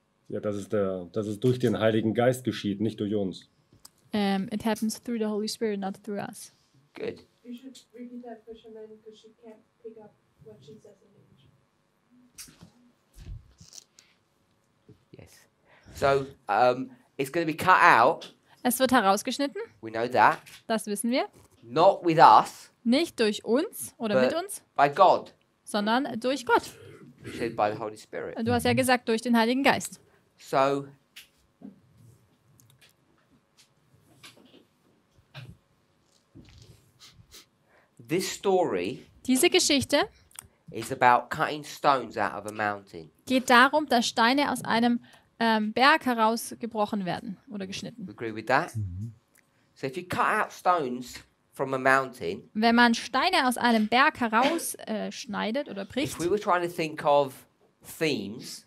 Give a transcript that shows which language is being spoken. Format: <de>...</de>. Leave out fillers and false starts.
<de>Ja, das ist durch den Heiligen Geist geschieht, nicht durch uns.</de> <en>It happens through the Holy Spirit, not through us. Good. You should repeat that question then, because she can't pick up what she says in English. Can you repeat the question? Yes. So, it's going to be cut out.</en> <de>Es wird herausgeschnitten.</de> <en>We know that.</en> <de>Das wissen wir.</de> <en>Not with us.</en> <de>Nicht durch uns oder mit uns.</de> <en>By God.</en> <de>Sondern durch Gott.</de> <en>You said by the Holy Spirit.</en> <de>Du hast ja gesagt, durch den Heiligen Geist.</de> <en>So, this story,</en> <de>diese Geschichte,</de> <en>is about cutting stones out of a mountain.</en> <de>Geht darum, dass Steine aus einem Berg herausgebrochen werden oder geschnitten.</de> <en>You agree with that? So if you cut out stones from a mountain,</en> <de>wenn man Steine aus einem Berg herausschneidet oder bricht,</de> <en>if we were trying to think of themes,</en>